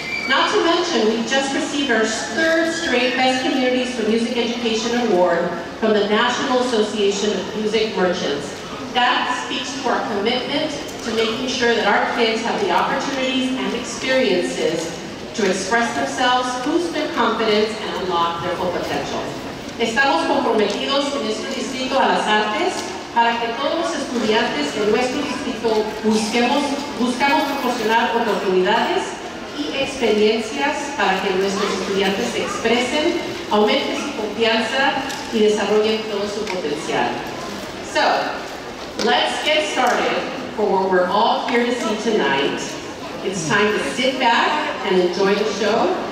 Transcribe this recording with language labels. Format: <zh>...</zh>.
<en>Not to mention, we just received our third straight Best Communities for Music Education Award from the National Association of Music Merchants. That speaks to our commitment to making sure that our kids have the opportunities and experiences to express themselves, boost their confidence, and unlock their full potential.</en> <es>Estamos comprometidos con este distrito a las artes para que todos los estudiantes de nuestro distrito busquemos proporcionar oportunidades y experiencias para que nuestros estudiantes se expresen, aumenten su confianza y desarrollen todo su potencial.</es> <en>So, let's get started for what we're all here to see tonight. It's time to sit back and enjoy the show.</en>